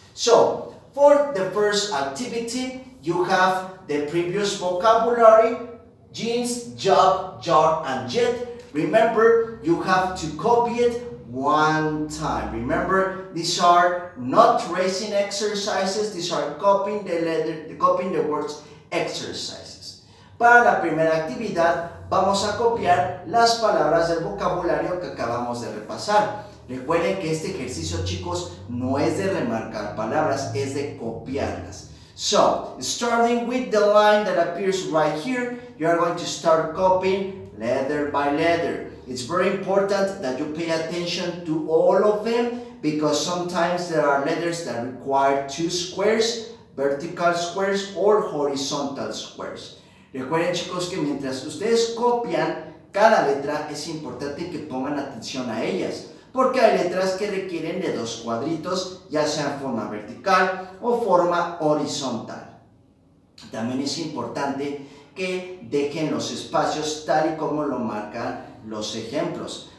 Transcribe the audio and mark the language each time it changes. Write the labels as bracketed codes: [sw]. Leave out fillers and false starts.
[en] So, for the first activity, you have the previous vocabulary, jeans, job, jar, and jet. Remember, you have to copy it one time. Remember, these are not tracing exercises, these are copying the letter, copying the words exercises. [es] Para la primera actividad, vamos a copiar las palabras del vocabulario que acabamos de repasar. Recuerden que este ejercicio, chicos, no es de remarcar palabras, es de copiarlas. [en] So, starting with the line that appears right here, you are going to start copying letter by letter. It's very important that you pay attention to all of them because sometimes there are letters that require two squares, vertical squares or horizontal squares. [es] Recuerden, chicos, que mientras ustedes copian cada letra, es importante que pongan atención a ellas, porque hay letras que requieren de dos cuadritos, ya sea en forma vertical o forma horizontal. También es importante que dejen los espacios tal y como lo marcan los ejemplos.